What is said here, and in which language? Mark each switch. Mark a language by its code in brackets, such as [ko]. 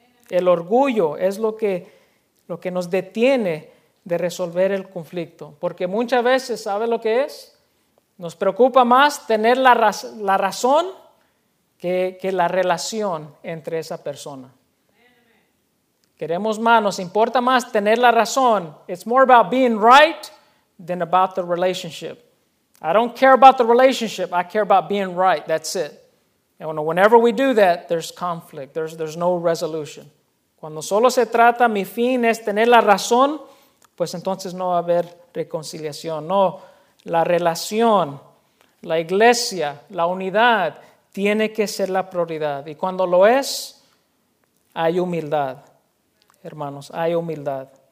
[es] El orgullo es lo que nos detiene de resolver el conflicto. Porque muchas veces, ¿sabe lo que es? Nos preocupa más tener la razón que la relación entre esa persona. Queremos más, nos importa más tener la razón. [en] It's more about being right than about the relationship. I don't care about the relationship, I care about being right, that's it. And whenever we do that, there's conflict, there's no resolution. [es] Cuando solo se trata, mi fin es tener la razón, pues entonces no va a haber reconciliación. No, la relación, la iglesia, la unidad, tiene que ser la prioridad. Y cuando lo es, hay humildad, hermanos, hay humildad.